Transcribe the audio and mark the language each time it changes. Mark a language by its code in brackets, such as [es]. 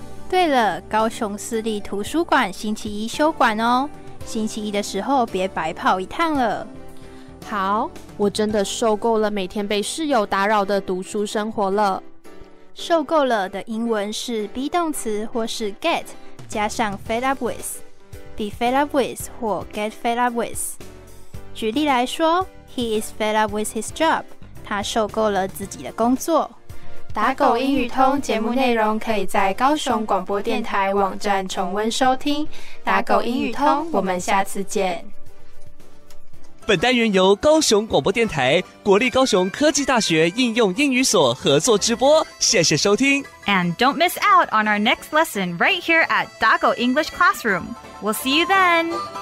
[zh] 对了，高雄市立图书馆星期一休馆哦，星期一的时候别白跑一趟了。好，我真的受够了每天被室友打扰的读书生活了。受够了的英文是 be 动词或是 get 加上 fed up with。 [en] Be fed up with 或 get fed up with。 [zh] 举例来说， [en] He is fed up with his job， [zh] 他受够了自己的工作。打狗英语通节目内容可以在高雄广播电台网站重温收听。打狗英语通，我们下次见。本单元由高雄广播电台、国立高雄科技大学应用英语所合作直播，谢谢收听。 [en] And don't miss out on our next lesson right here at Dago English Classroom. We'll see you then!